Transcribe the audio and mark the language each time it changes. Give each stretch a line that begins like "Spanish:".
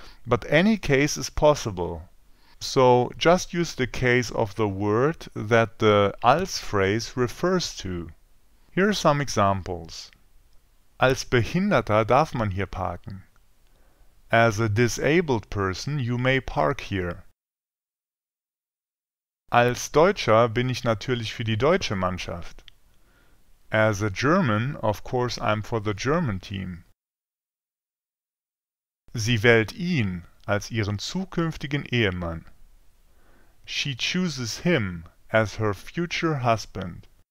English: But any case is possible. So, just use the case of the word that the als phrase refers to. Here are some examples.
German: Als Behinderter darf man hier parken.
English: As a disabled person, you may park here.
German: Als Deutscher bin ich natürlich für die deutsche Mannschaft.
English: As a German, of course I'm for the German team.
German: Sie wählt ihn als ihren zukünftigen Ehemann.
English: She chooses him as her future husband.